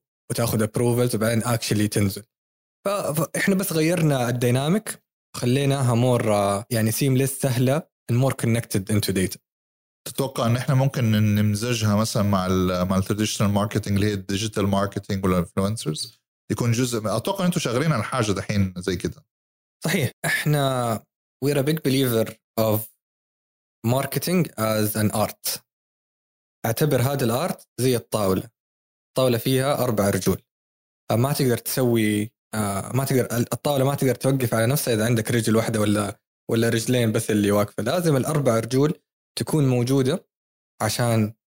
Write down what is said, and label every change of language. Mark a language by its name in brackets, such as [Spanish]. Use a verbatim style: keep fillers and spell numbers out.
[Arabic] وتاخذ approvals وبعدين actually تنزل. فإحنا بس غيرنا الديناميك وخليناها مور يعني seamless سهلة [English] and more connected into data. [Arabic] تتوقع أن إحنا ممكن نمزجها مثلا مع ال مع ال traditional marketing اللي هي digital marketing ولا influencers يكون جزء؟ أتوقع أنتوا شغالين على حاجة دحين زي كده. صحيح. إحنا [English] we're a big believer of marketing as an art. [Arabic] اعتبر هذا الارت زي الطاولة، الطاولة فيها أربع رجول، ما تقدر تسوي ما تقدر الطاولة ما تقدر توقف على نفسها إذا عندك رجل واحدة ولا ولا رجلين بس اللي واقفة، لازم الأربع رجول تكون موجودة عشان